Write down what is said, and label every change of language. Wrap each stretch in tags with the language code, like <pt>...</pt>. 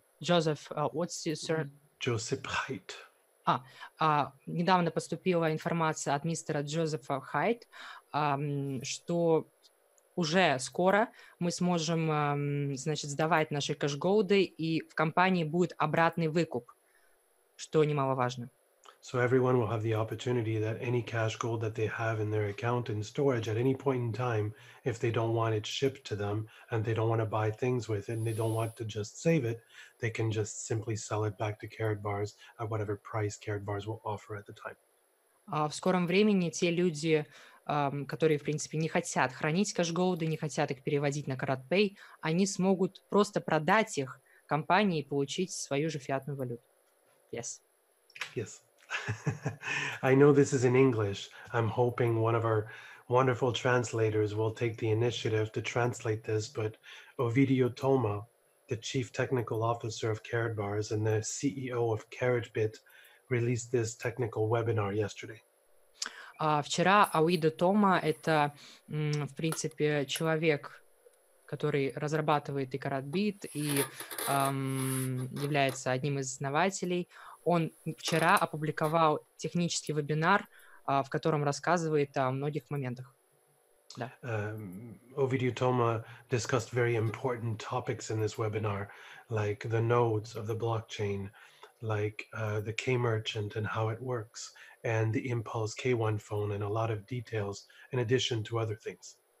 <en>Joseph Haidt.</en> <ru>Недавно поступила информация от мистера Джозефа Хайт, что уже скоро мы сможем, сдавать наши кэш-голды, и в компании будет обратный выкуп, что немаловажно.</ru> <en>So everyone will have the opportunity that any cash gold that they have in their account in storage at any point in time, if they don't want it shipped to them and they don't want to buy things with it and they don't want to just save it, they can just simply sell it back to Karat Bars at whatever price Karat Bars will offer at the time.</en> <ru>В скором времени те люди, которые, в принципе, не хотят хранить кэш-голды, не хотят их переводить на CaratPay, они смогут просто продать их компании и получить свою же фиатную валюту.</ru> <en>Yes. Yes. I know this is in English. I'm hoping one of our wonderful translators will take the initiative to translate this, but Ovidio Toma, the chief technical officer of Karat Bars and the CEO of Karatbit, released this technical webinar yesterday.</en> <ru>Вчера Ауида Тома, это, в принципе, человек, который разрабатывает и Karatbit, и является одним из основателей. Он вчера опубликовал технический вебинар, в котором рассказывает о многих моментах. Да.</ru> <en>Ovidio Toma discussed very important topics in this webinar, like the nodes of the blockchain, like the K-merchant and how it works, and the Impulse K1 phone, and a lot of details, in addition to other things.</en>